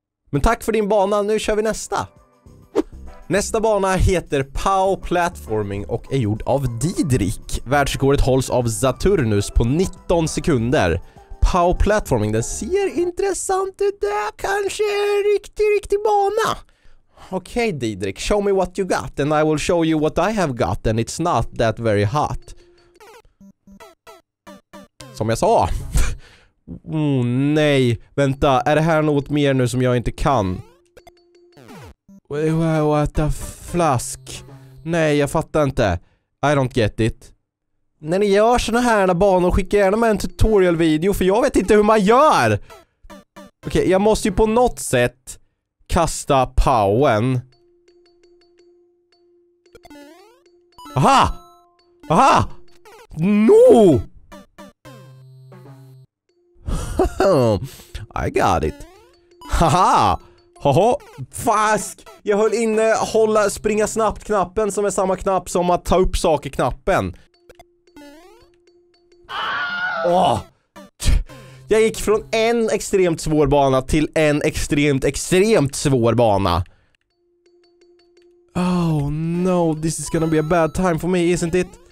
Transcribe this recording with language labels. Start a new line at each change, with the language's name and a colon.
Swedish: Men tack för din bana, nu kör vi nästa. Nästa bana heter Pow Platforming och är gjord av Didrik. Världsrekordet hålls av Saturnus på 19 sekunder. Pow Platforming, den ser intressant ut. Det kanske är en riktig bana.
English: Okej, Didrik, show me what you got and I will show you what I have got, and it's not that very hot.
Swedish: Som jag sa. Nej, vänta, är det här något mer nu som jag inte kan?
English: What the flask?
Swedish: Nej, jag fattar inte.
English: I don't get it.
Swedish: När ni gör såna här banor, skicka gärna med en tutorial-video, för jag vet inte hur man gör! Okej, jag måste ju på något sätt kasta powen.
English: Aha! Aha! No! I got it. Haha! Haha! Fask!
Swedish: Jag höll inne hålla springa snabbt-knappen, som är samma knapp som att ta upp saker-knappen. Oh. Jag gick från en extremt svår bana till en extremt svår bana.
English: Oh no, this is gonna be a bad time for me, isn't it?